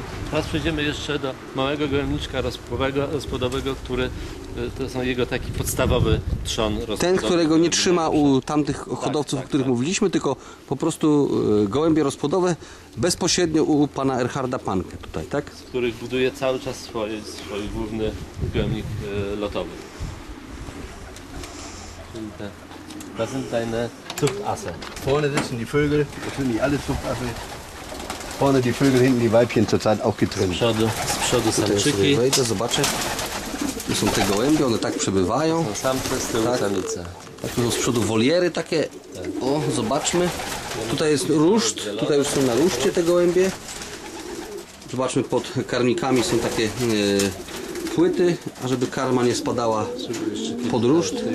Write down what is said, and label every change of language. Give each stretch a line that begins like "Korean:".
Polish: Teraz przejdziemy jeszcze do małego gołębniczka rozpadowego, który to są jego taki podstawowy trzon rozpadowy. Ten, którego nie trzyma u tamtych hodowców, o których mówiliśmy, tylko po prostu gołębie rozpadowe bezpośrednio u pana Erharda Panke tutaj, tak? Z których buduje cały czas swój główny gołębnik lotowy. Czyli te
German: das sind deine Zuchtasse. Vorne sitzen die Vögel, das sind nicht alle Zuchtasse. Vorne die Vögel, hinten die Weibchen, zurzeit auch getrennt.
Polish: Z przodu samczyki. Tutaj wejdę, zobaczę. Tu są te gołębie, one tak przebywają. To są samce, z tyłu samice. Tak, tu są z przodu woliery takie. Tak. O, zobaczmy. Tutaj jest ruszt, tutaj już są na ruszcie te gołębie. Zobaczmy, pod karmikami są takie płyty, ażeby karma nie spadała pod ruszt.